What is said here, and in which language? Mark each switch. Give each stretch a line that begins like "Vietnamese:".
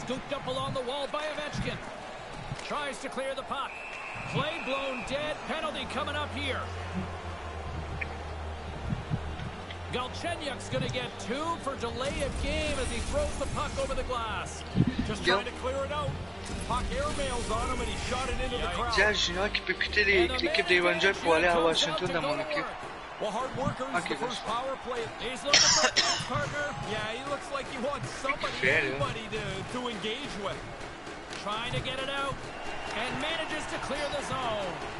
English: Scooped up along the wall by Ovechkin. Tries to clear the puck. Play blown dead. Penalty coming up here. Galchenyuk's going to get two for delay of game as he throws the puck over the glass. Just trying to clear it out. Puck airmails on him and he shot it into the crowd.
French: Galchenyuk qui peut quitter l'équipe des Rangers pour aller à Washington dans mon équipe.
English: Well, hard worker is the first power play. He's looking for his partner. Yeah, he looks like he wants somebody to engage with. Trying to get it out and manages to clear the zone.